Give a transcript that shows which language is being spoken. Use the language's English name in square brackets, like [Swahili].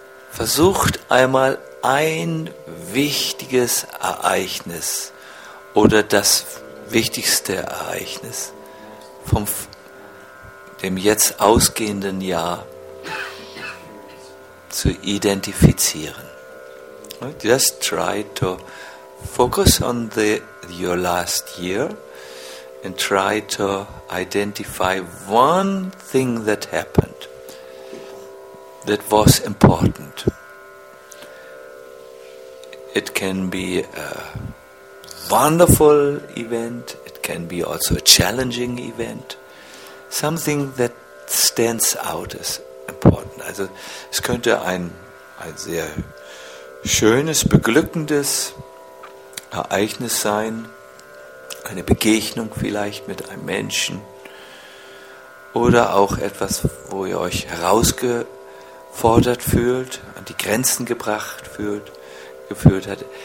[German] Versucht einmal ein wichtiges Ereignis oder das wichtigste Ereignis vom dem jetzt ausgehenden Jahr zu identifizieren. [English] Just try to focus on your last year and try to identify one thing that happened that was important. It can be a wonderful event, it can be also a challenging event. Something that stands out is important. [German] Also es könnte ein sehr schönes, beglückendes Ereignis sein, eine Begegnung vielleicht mit einem Menschen oder auch etwas, wo ihr euch herausgefordert fühlt, an die Grenzen gebracht fühlt, gefühlt hat.